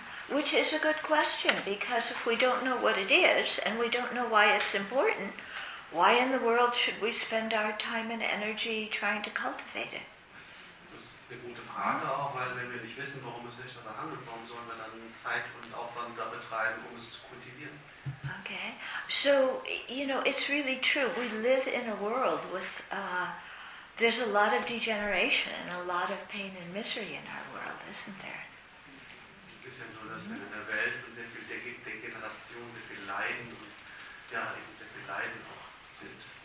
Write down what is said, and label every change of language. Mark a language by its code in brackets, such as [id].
[en] Which is a good question, because if we don't know what it is and we don't know why it's important, why in the world should we spend our time and energy trying to cultivate it? [de] Das ist eine gute Frage auch, weil wenn wir nicht wissen, warum es nicht daran handelt, warum sollen wir dann Zeit und Aufwand da betreiben, um es zu kultivieren? [en] Okay, so, you know, it's really true. We live in a world with, there's a lot of degeneration and a lot of pain and misery in our world, isn't there? [de] Es ist ja so, dass wir in einer Welt von sehr viel Degeneration, sehr viel Leiden und, ja, eben sehr viel Leiden auch sind.